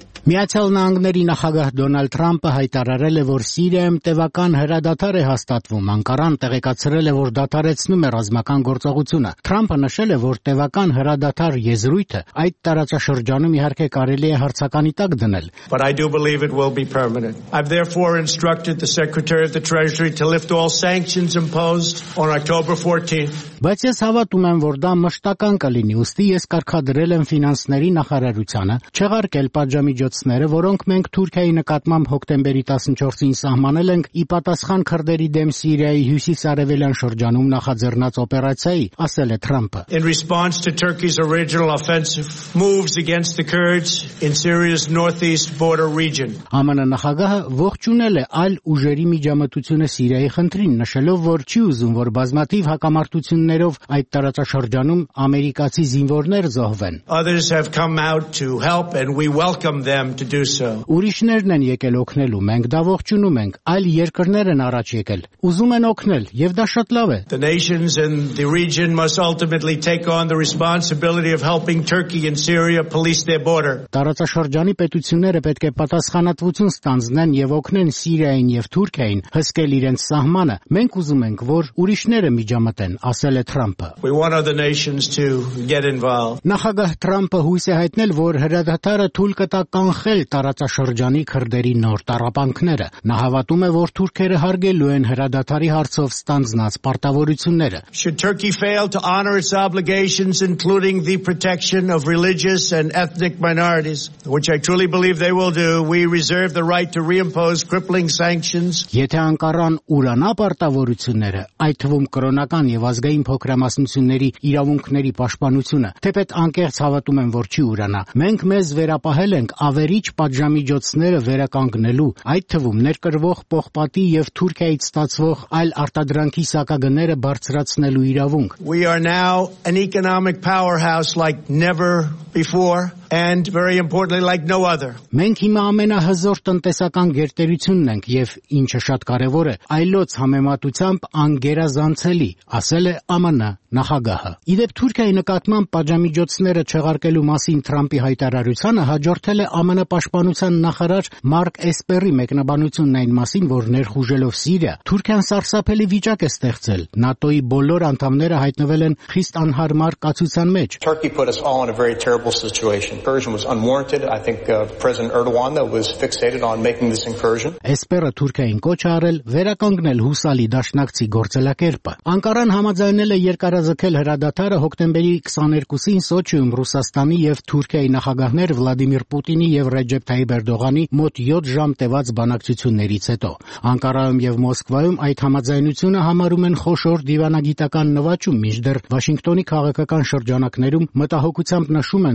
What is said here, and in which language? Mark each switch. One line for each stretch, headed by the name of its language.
Armenian: Միացյալ Նահանգների նախագահ Դոնալդ Թրամփը հայտարարել է, որ Սիրիայում տևական հրադադար է հաստատվում։ Անկարան տեղեկացրել է, որ դադարեցնում է ռազմական գործողությունը։ Թրամփը նշել է, որ տևական հրադադար եզրույթը այդ տարածաշրջանում իհարկե կարելի է հարցականի տակ դնել։
English: But I do believe it will be permanent. I've therefore instructed the Secretary of the Treasury to lift all sanctions imposed on October 14th.
Armenian: Բայց ես հավատում եմ, որ դա մշտական կլինի, ուստի ես կարգադրել եմ ֆինանսների նախարարությանը չեղարկել պատժամիջոցները, որոնք մենք Թուրքիայի նկատմամբ հոկտեմբերի 14-ին սահմանել ենք ի պատասխան քրդերի դեմ Սիրիայի հյուսիսարևելյան շրջանում նախաձեռնած օպերացիայի, ասել է Թրամփը։
English: In response to Turkey's original offensive moves against the Kurds in Syria's northeast border region.
Armenian: ԱՄՆ նախագահը ողջունել է այլ ուժերի միջամտությունը Սիրիայի խնդրին, նշելով, որ չի ուզում, որ բազմաթիվ հակամարտության ներով այդ տարածաշրջանում ամերիկացի զինվորներ զոհվեն։
English: Others have come out to help and we welcome them to do so.
Armenian: Ուրիշներն են եկել օգնելու, մենք դա ողջունում ենք, այլ երկրներ են առաջ եկել, ուզում են օգնել, եւ դա շատ լավ է։
English: The nations in the region must ultimately take on the responsibility of helping Turkey and Syria police their border.
Armenian: Տարածաշրջանի պետությունները պետք է պատասխանատվություն ստանձնեն եւ օգնեն Սիրիային եւ Թուրքիային հսկել իրենց սահմանը։ Մենք ուզում ենք, որ ուրիշները միջամտեն, ասել է Թրամփը։
English: We want other nations to get involved.
Armenian: Նախագահ Թրամփը հույս է հայտնել, որ հրադադարը թույլ կտա կանխել տարածաշրջանի քրդերի նոր տառապանքները։ Նա հավատում է, որ թուրքերը հարգելու են հրադադարի հարցով ստանձնած պարտավորությունները։
English: Should Turkey fail to honor its obligations including the protection of religious and ethnic minorities, which I truly believe they will do, we reserve the right to reimpose crippling sanctions.
Armenian: Եթե Անկարան ուրանա պարտավորությունները, այդ թվում կրոնական և ազգային փոքրամասնությունների իրավունքների պաշտպանությունը, թեպետ անկեղծ հավատում եմ, որ չի ուրանա, մենք մեզ վերապահել ենք ավերիչ պատժամիջոցները վերականգնելու, այդ թվում ներկրվող պողպատի և Թուրքիայից ստացվող այլ արտադրանքի սակագները բարձրացնելու իրավունք։
English: We are now an economic powerhouse like never before. And very importantly, like no other.
Armenian: Մենք հիմա ամենահզոր տնտեսական գերտերությունն ենք եւ ինչը շատ կարեւոր է, այլոց համեմատությամբ անգերազանցելի, ասել է ԱՄՆ նախագահը։ Իդեպ Թուրքիայի նկատմամբ պատժամիջոցները չեղարկելու մասին Թրամփի հայտարարությանը հաջորդել է ԱՄՆ պաշտպանության նախարար Մարկ Էսպերի մեկնաբանությունն այն մասին, որ ներխուժելով Սիրիա, Թուրքիան սարսափելի վիճակ է ստեղծել։ ՆԱՏՕ-ի բոլոր անդամները հայտնվել են խիստ անհարմար կացության մեջ։
English: Turkey put us all in a very terrible situation. Incursion was unwarranted. I think President Erdogan that was fixated on making this incursion.
Armenian: Էսպերը Թուրքիային կոչ արել վերականգնել հուսալի դաշնակցի գործելակերպը։ Անկարան համաձայնել է երկարաձգել հրադադարը հոկտեմբերի 22-ին Սոչիում Ռուսաստանի եւ Թուրքիայի նախագահներ Վլադիմիր Պուտինի եւ Ռեջեփ Թայիբ Էրդողանի մոտ 7 ժամ տևած բանակցություններից հետո։ Անկարայում եւ Մոսկվայում այդ համաձայնությունը համարում են խոշոր դիվանագիտական նվաճում, մինչդեռ Վաշինգտոնի քաղաքական շրջանակներում մտահոգությամբ նշում են